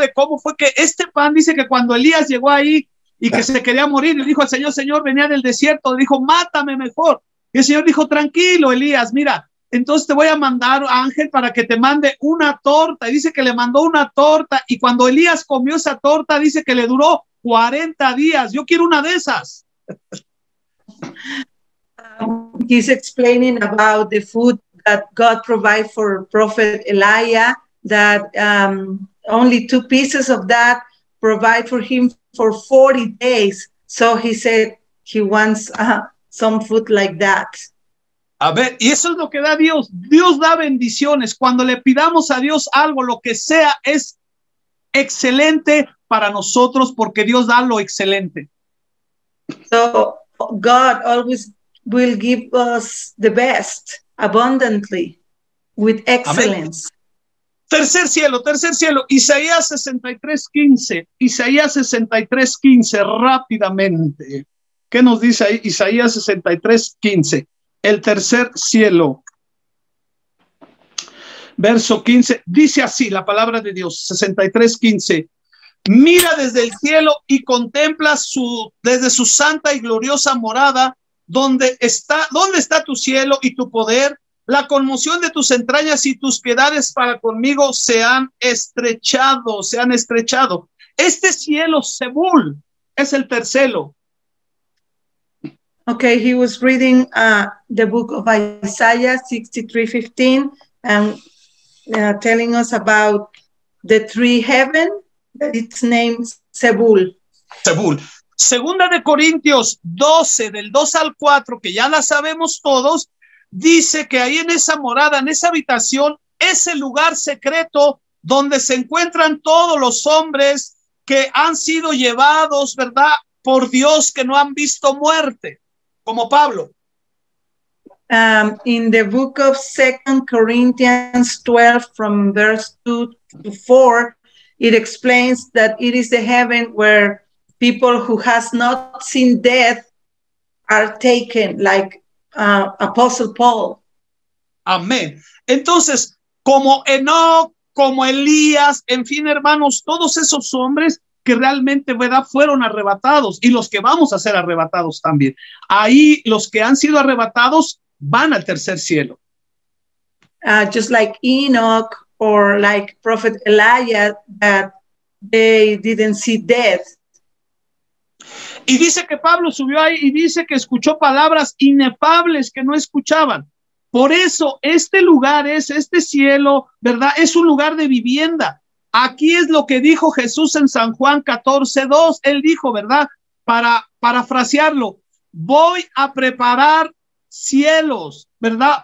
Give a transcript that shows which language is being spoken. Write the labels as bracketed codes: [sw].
[es] De cómo fue que este pan dice que cuando Elías llegó ahí y que se quería morir, le dijo al Señor, Señor, venía del desierto, le dijo, mátame mejor. Y el Señor dijo, tranquilo, Elías, mira. Entonces te voy a mandar ángel para que te mande una torta. Y dice que le mandó una torta. Y cuando Elías comió esa torta, dice que le duró 40 días. Yo quiero una de esas. [en] He's explaining about the food that God provided for Prophet Elijah, that only two pieces of that provide for him for 40 days. So he said he wants some food like that. [es] A ver, y eso es lo que da Dios. Dios da bendiciones. Cuando le pidamos a Dios algo, lo que sea, es excelente para nosotros porque Dios da lo excelente. [en] So, God always will give us the best, abundantly, with excellence. [es] Amén. Tercer cielo. Isaías 63:15, rápidamente. ¿Qué nos dice ahí Isaías 63:15? el tercer cielo. Verso 15, dice así la palabra de Dios, 63:15. Mira desde el cielo y contempla desde su santa y gloriosa morada, ¿dónde está tu cielo y tu poder? La conmoción de tus entrañas y tus piedades para conmigo se han estrechado. Este cielo, Zebul, es el tercero. [en] Okay, he was reading the book of Isaiah 63:15 and telling us about the three heaven, its name Zebul. Zebul. [es] Segunda de Corintios 12, del 2 al 4, que ya la sabemos todos, dice que ahí en esa morada, en esa habitación, es el lugar secreto donde se encuentran todos los hombres que han sido llevados, ¿verdad?, por Dios, que no han visto muerte, como Pablo. [en] In the book of 2 Corinthians 12, from verse 2 to 4, it explains that it is the heaven where people who has not seen death are taken, like Apostle Paul. [es] Amén. Entonces, como Enoch, como Elías, en fin, hermanos, todos esos hombres que realmente, ¿verdad?, fueron arrebatados, y los que vamos a ser arrebatados también. Ahí los que han sido arrebatados van al tercer cielo. [en] Just like Enoch or like Prophet Elijah, that they didn't see death. [es] Y dice que Pablo subió ahí y dice que escuchó palabras inefables que no escuchaban. Por eso este lugar es este cielo, ¿verdad? Es un lugar de vivienda. Aquí es lo que dijo Jesús en San Juan 14:2. Él dijo, ¿verdad?, para parafrasearlo, voy a preparar cielos, ¿verdad?